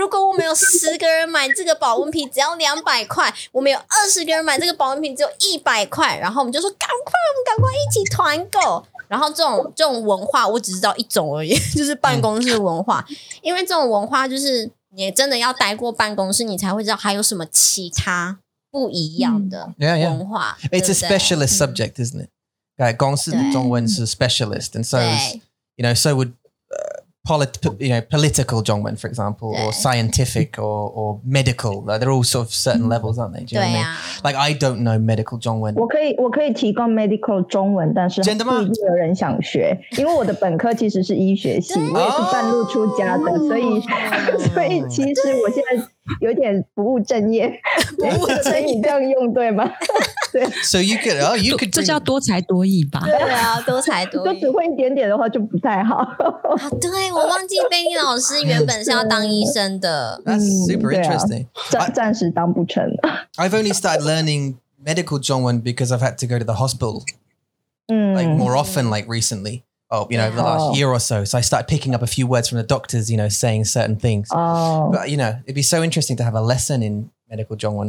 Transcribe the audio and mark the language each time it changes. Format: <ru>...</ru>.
<zh>如果我们有十个人买这个保温瓶，只要200块；我们有20个人买这个保温瓶，只有100块。然后我们就说：赶快，我们赶快一起团购。” 然后这种文化我只知道一种而已，就是办公室文化。因为这种文化就是你真的要待过办公室，你才会知道还有什么其他不一样的文化。</zh> <en>Yeah, yeah. It's a specialist subject, isn't it? Okay,</en> <zh>公司的中文是</zh> <en>specialist, and so is, you know, so would political 中文, for example, or scientific or medical. Like, they're all sort of certain levels, aren't they? Do you know what I mean? Like, I don't know medical 中文.</en> <zh>我可以提供 medical 中文, 但是真的吗? 不一定有人想学。因为我的本科其实是医学系, 我也是半路出家的, 所以其实我现在有点不务正业。不务正业。你这样用对吗?</zh> <en>对。So you could, oh, you could.</en> <zh>这叫多才多艺吧。对啊，多才多艺。就只会一点点的话就不太好。对。我忘记贝妮老师原本是要当医生的。</zh> <en>That's super interesting.</en> <zh>暂时当不成。</zh> <en>I've only started learning medical 中文 because I've had to go to the hospital. Like more often, like recently. Oh, you know, over the last year or so. So I started picking up a few words from the doctors, you know, saying certain things. But, you know, it'd be so interesting to have a lesson in medical 中文.</en>